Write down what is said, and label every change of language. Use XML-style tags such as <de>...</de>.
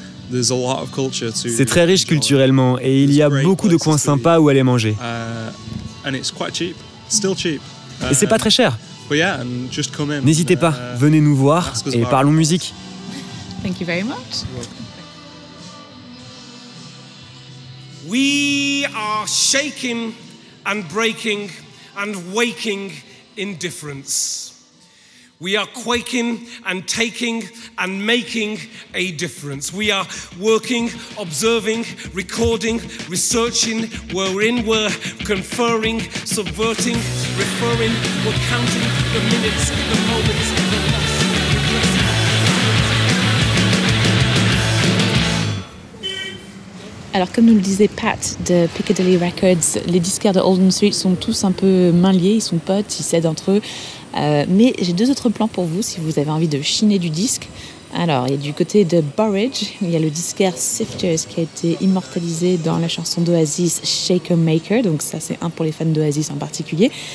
<fr>C'est très riche culturellement et il y a beaucoup de coins sympas où aller manger. Et c'est pas très cher. N'hésitez pas, venez nous voir et parlons musique.</fr> <en>Thank you very much. We are shaking and breaking and waking indifference. We are quaking and taking and making a difference. We are working, observing, recording, researching, we're in, we're conferring, subverting, referring, we're counting the minutes, the moments, the loss.</en> <fr>Alors, comme nous le disait Pat de Piccadilly Records, les disquaires de Oldham Street sont tous un peu main liée, ils sont potes, ils s'aident entre eux. Mais j'ai deux autres plans pour vous si vous avez envie de chiner du disque. Alors, il y a du côté de Burridge, il y a le disquaire Sifters qui a été immortalisé dans la chanson d'Oasis Shaker Maker, donc ça c'est un pour les fans d'Oasis en particulier.</fr>